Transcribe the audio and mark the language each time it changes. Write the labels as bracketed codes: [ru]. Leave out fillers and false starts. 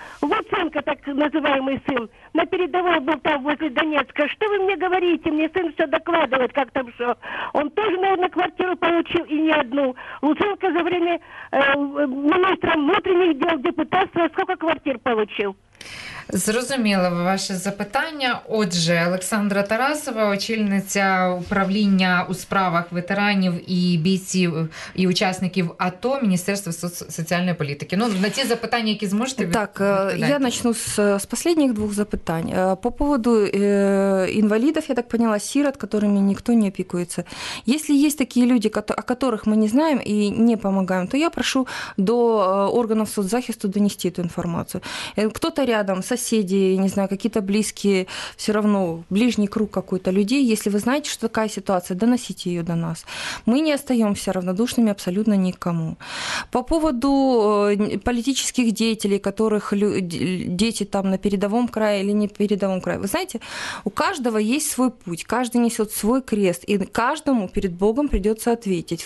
[ru] Вот сынка, так называемый сын, на передовой был там возле Донецка. Что вы мне говорите? Мне сын все докладывает, как там что. Он тоже, наверное, квартиру получил и не одну. Луценко за время министра внутренних дел, депутатства, сколько квартир получил? [uk] Зрозуміло ваше запитання. Отже, Олександра Тарасова, очільниця управління у справах ветеранів і бійців і учасників АТО Міністерства соціальної політики. Ну, на ті запитання, які зможете відповісти. Так, я почну з останніх двох запитань. [ru] По поводу [uk] інвалідів, я так поняла, сирот, которыми ніхто не опікується. Якщо є такі люди, о которых ми не знаємо і не допомагаємо, то я прошу до органів соцзахисту донести ту інформацію. Хтось [ru] рядом, соседи, не знаю, какие-то близкие, все равно ближний круг какой-то людей, если вы знаете, что такая ситуация, доносите ее до нас. Мы не остаемся равнодушными абсолютно никому. По поводу политических деятелей, которых дети там на передовом крае или не передовом крае, вы знаете, у каждого есть свой путь, каждый несет свой крест, и каждому перед Богом придется ответить.